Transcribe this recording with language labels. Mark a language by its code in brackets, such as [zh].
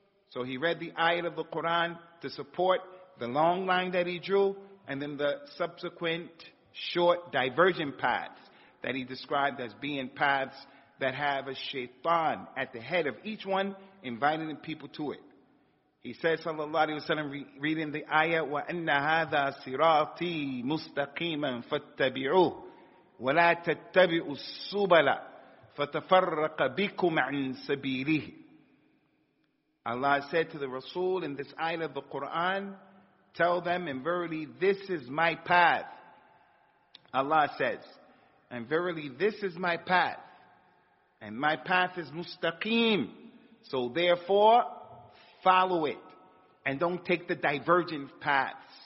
[en] So he read the ayat of the Quran to support the long line that he drew and then the subsequent short divergent paths that he described as being paths that have a shaitan at the head of each one, inviting the people to it. He says, sallallahu alayhi wa sallam, reading the ayah, [ar] وَأَنَّ هَذَا سِرَاطِي مُسْتَقِيمًا فَاتَّبِعُوهُ وَلَا تَتَّبِعُوا السُّبَلَ فَتَفَرَّقَ بِكُمْ عَنْ سَبِيلِهِ. [en] Allah said to the Rasul in this ayah of the Quran, tell them, and verily this is my path. Allah says, and verily this is my path, and my path is mustaqim. So therefore, follow it, and don't take the divergent paths.